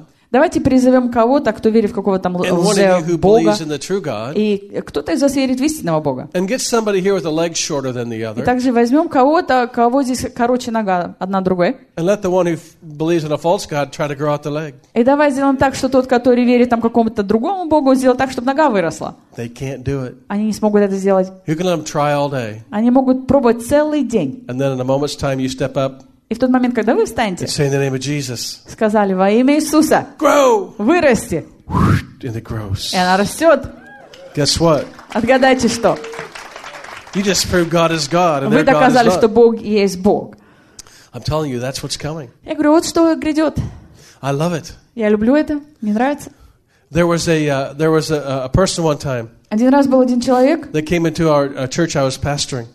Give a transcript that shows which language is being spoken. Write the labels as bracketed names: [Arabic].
[Russian] Давайте призовем кого-то, кто верит в какого-то лже-бога, и кто-то из вас верит в истинного Бога. [English] And get somebody here with a leg shorter than the other. [Russian] И также возьмем кого-то, кого здесь короче нога одна другой. И давай сделаем так, что тот, который верит там какому-то другому Богу, сделает так, чтобы нога выросла. [English] They can't do it. [Russian] Они не смогут это сделать. [English] You can let them try all day. [Russian] Они могут пробовать целый день. [English] And then in a moment's time you step up. [Russian] И в тот момент, когда вы встанете, [English] say in the name of Jesus, [Russian] сказали во имя Иисуса, [English] grow! [Russian] Вырасти. [English] And it grows. [Russian] И она растет. [English] Guess what? [Russian] Отгадайте, что. [English] You just proved God is God, and [Russian] вы доказали, [English] their God is [Russian] что Бог есть Бог. [English] I'm telling you, that's what's coming. [Russian] Я говорю, вот что грядет. [English] I love it. [Russian] Я люблю это, мне нравится. [English] There was a person one time. [Russian] Один раз был один человек. [English] They came into our church I was pastoring.